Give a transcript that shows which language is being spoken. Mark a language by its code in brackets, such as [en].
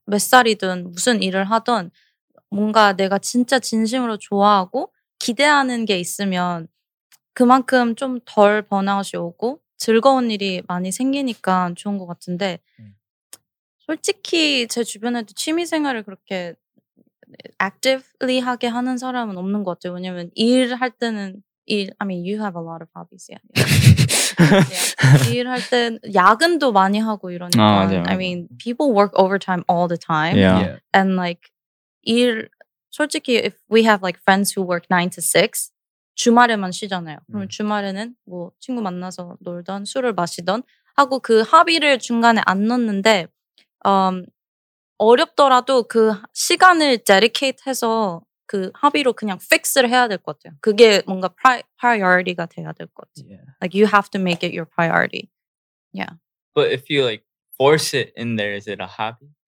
[ko] 몇 살이든 무슨 일을 하든 뭔가 내가 진짜 진심으로 좋아하고 기대하는 게 있으면 그만큼 좀 덜 번아웃이 오고 즐거운 일이 많이 생기니까 좋은 것 같은데 솔직히 제 주변에도 취미생활을 그렇게 actively 하게 하는 사람은 없는 것 같아요. 왜냐면 일할 때는 일, [en] I mean, you have a lot of hobbies. Yeah. [ko] 일할 땐 야근도 많이 하고 이러니까 아, 맞아요, 맞아요. [en] I mean, people work overtime all the time. Yeah. And like, [ko] 일, 솔직히 [en] if we have like friends who work 9 to 6, [ko] 주말에만 쉬잖아요. 그럼 주말에는 뭐 친구 만나서 놀던 술을 마시던 하고 그 합의를 중간에 안 넣는데 어렵더라도 그 시간을 dedicate해서 그 합의로 그냥 fix를 해야 될 것 같아요. 그게 뭔가 priority가 돼야 될 것 같아요. [en] Yeah. Like you have to make it your priority. Yeah. But if you like force it in there, is it a hobby?